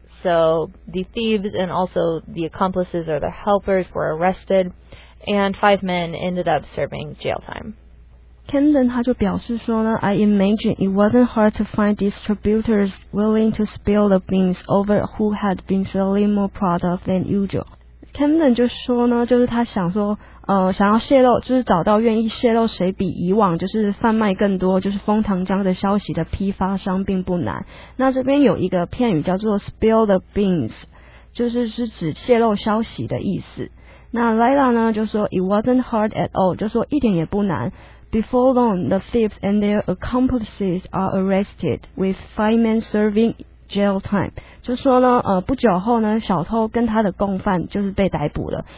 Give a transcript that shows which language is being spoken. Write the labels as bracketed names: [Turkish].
[English] So the thieves and also the accomplices or the helpers were arrested, and 5 men ended up serving jail time. Camden [Chinese] 他就表示说呢 [English] I imagine it wasn't hard to find distributors willing to spill the beans over who had been selling more product than usual. [Chinese] Camden 就说呢，就是他想说，想要泄露，就是找到愿意泄露谁比以往就是贩卖更多就是枫糖浆的消息的批发商并不难。那这边有一个片语叫做 [English] spill the beans， [Chinese] 就是是指泄露消息的意思。那 Lila 呢就说 [English] it wasn't hard at all， [Chinese] 就说一点也不难。 [English] Before long, the thieves and their accomplices are arrested, with 5 men serving jail time. [Chinese] 就说呢，不久后呢，小偷跟他的共犯就是被逮捕了。